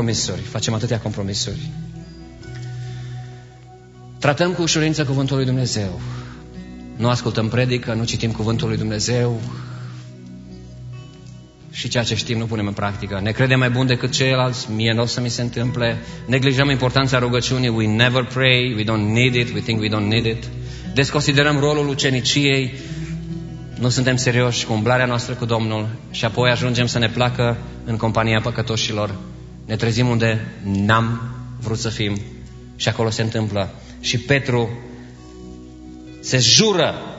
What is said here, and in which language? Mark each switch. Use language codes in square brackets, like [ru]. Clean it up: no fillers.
[ro] Facem atâtea compromisuri. Tratăm cu ușurință cuvântul lui Dumnezeu. Nu ascultăm predică, nu citim cuvântul lui Dumnezeu. Și ceea ce știm nu punem în practică. Ne credem mai bun decât ceilalți, mie n-o să mi se întâmple. Neglijăm importanța rugăciunii, [en] we never pray, we don't need it, we think we don't need it. [ro] Desconsiderăm rolul uceniciei, nu suntem serioși cu umblarea noastră cu Domnul și apoi ajungem să ne placă în compania păcătoșilor. Ne trezim unde n-am vrut să fim și acolo se întâmplă. Și Petru se jură.